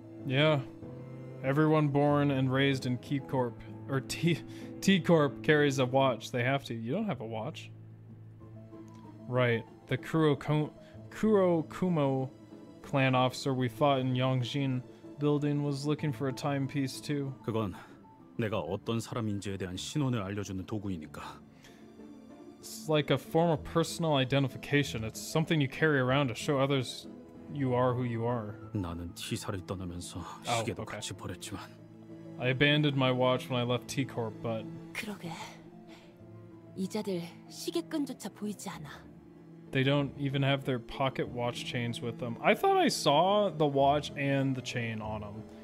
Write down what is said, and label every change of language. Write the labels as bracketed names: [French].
[English] Yeah. Everyone born and raised in T-Corp, or T-Corp carries a watch. They have to. You don't have a watch. Right. The Kurokumo clan officer we fought in Yongjin building was looking for a timepiece too. [Korean] 그건 내가 어떤 사람인지에 대한 신원을 알려주는 도구이니까. [English] It's like a form of personal identification. It's something you carry around to show others you are who you are. [Korean] 나는 T사를 떠나면서 시계도 같이 버렸지만. [English] I abandoned my watch when I left T-Corp, but [Korean] 그러게 이자들 시계끈조차 보이지 않아. [English] They don't even have their pocket watch chains with them. I thought I saw the watch and the chain on them.